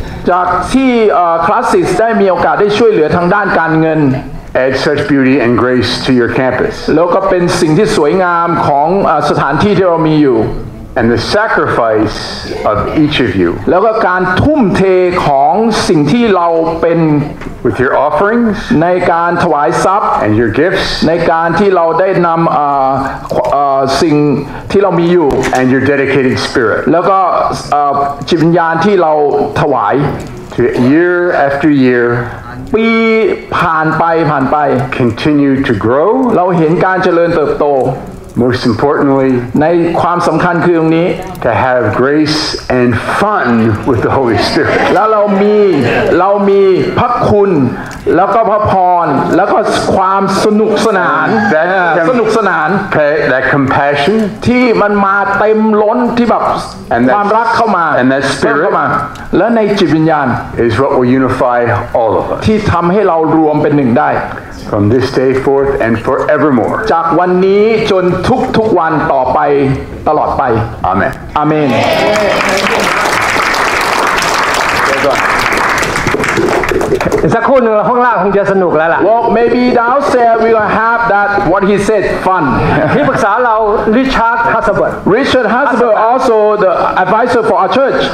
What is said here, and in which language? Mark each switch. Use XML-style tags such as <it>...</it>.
<th>จากที่คลาสสิสได้มีโอกาสได้ช่วยเหลือทางด้านการเงิน</th> <en>Add such beauty and grace to your campus.</en> <th>แล้วก็เป็นสิ่งที่สวยงามของสถานที่ที่เรามีอยู่</th> <en>And the sacrifice of each of you.</en> <th>แล้วก็การทุ่มเทของสิ่งที่เราเป็น</th> <en>With your offerings.</en> <th>ในการถวายทรัพย์</th> <en>And your gifts.</en> <th>ในการที่เราได้นำสิ่งที่เรามีอยู่</th> <en>And your dedicated spirit.</en> <th>แล้วก็จิตวิญญาณที่เราถวาย</th> <en>To year after year.</en> <th>ปีผ่านไปผ่านไป</th> <en>Continue to grow.</en> <th>เราเห็นการเจริญเติบโต</th> <en>Most importantly,</en> <th>ในความสำคัญคือตรงนี้</th> <en>to have grace and fun with the Holy Spirit.</en> <th>แล้วเรามีพระคุณแล้วก็พระพรแล้วก็ความสนุกสนานสนุกสนาน</th> <en>that compassion</en> <th>ที่มันมาเต็มล้นที่แบบความรักเข้ามา</th> <en>and that spirit</en> <th>และในจิตวิญญาณ</th> <en>is what will unify all of us</en> <th>ที่ทำให้เรารวมเป็นหนึ่งได้</th> <en>From this day forth and forevermore.</en> <th>จากวันนี้จนทุกวันต่อไปตลอดไป</th> <en>Amen. Amen.</en> <th>สักครู่หนึ่งข้างล่างคงจะสนุกแล้วล่ะ</th> <en>Well, maybe downstairs we will have that what he said fun.</en> <th>ที่ปรึกษาเรา Richard Hasselberg.</th> <en>Richard Hasselberg also the advisor for our church.</en>